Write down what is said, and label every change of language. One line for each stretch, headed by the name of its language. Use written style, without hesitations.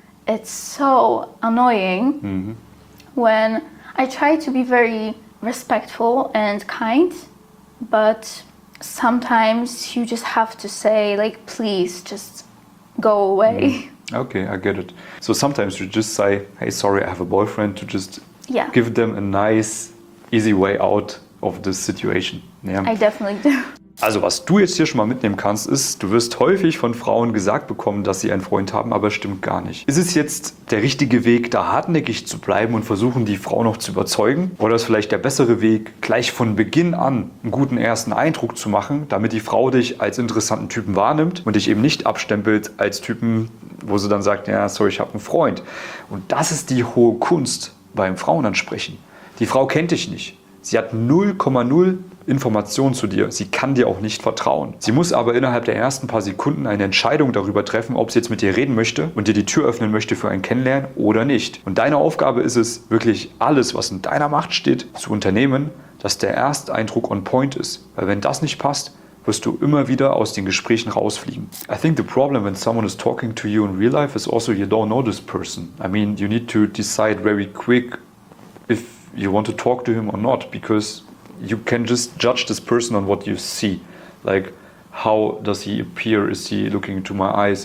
English: It's so annoying when I try to be very respectful and kind, but sometimes you just have to say, like, please just go away. Okay, I get it. So sometimes you just say, hey, sorry, I have a boyfriend, to just give them a nice, easy way out of this situation. Yeah, I definitely do.
German: Also was du jetzt hier schon mal mitnehmen kannst, ist, du wirst häufig von Frauen gesagt bekommen, dass sie einen Freund haben, aber stimmt gar nicht. Ist es jetzt der richtige Weg, da hartnäckig zu bleiben und versuchen, die Frau noch zu überzeugen? Oder ist vielleicht der bessere Weg, gleich von Beginn an einen guten ersten Eindruck zu machen, damit die Frau dich als interessanten Typen wahrnimmt und dich eben nicht abstempelt als Typen, wo sie dann sagt, ja, sorry, ich habe einen Freund. Und das ist die hohe Kunst beim Frauenansprechen. Die Frau kennt dich nicht. Sie hat 0,0 Informationen zu dir. Sie kann dir auch nicht vertrauen. Sie muss aber innerhalb der ersten paar Sekunden eine Entscheidung darüber treffen, ob sie jetzt mit dir reden möchte und dir die Tür öffnen möchte für ein Kennenlernen oder nicht. Und deine Aufgabe ist es, wirklich alles, was in deiner Macht steht, zu unternehmen, dass der Ersteindruck
English: on point
German: ist. Weil wenn das nicht passt, wirst du immer wieder aus den Gesprächen rausfliegen.
English: I think the problem when someone is talking to you in real life is also you don't know this person. I mean, you need to decide very quick if you want to talk to him or not, because you can just judge this person on what you see. Like, how does he appear? Is he looking into my eyes?